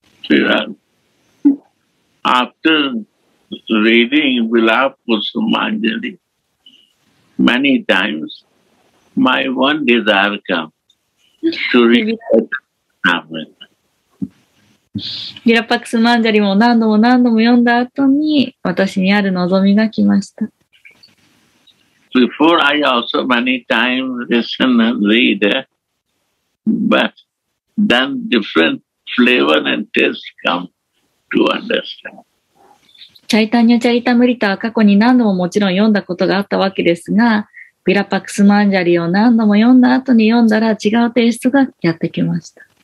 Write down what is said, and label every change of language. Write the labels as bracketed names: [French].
[English] Yeah. After reading Vilapusumanjali many times, my one desire comes to read Amen. [Japanese] ビラパクスマンジャリも何度も何度も読んだ後に私にある望みが来ました。 [English] Before I also many times listen and read, but then different flavor and taste come to understand. [Japanese] チャイタニャチャイタムリタは過去に何度ももちろん読んだことがあったわけですが、ビラパクスマンジャリを何度も読んだ後に読んだら違うテイストがやってきました。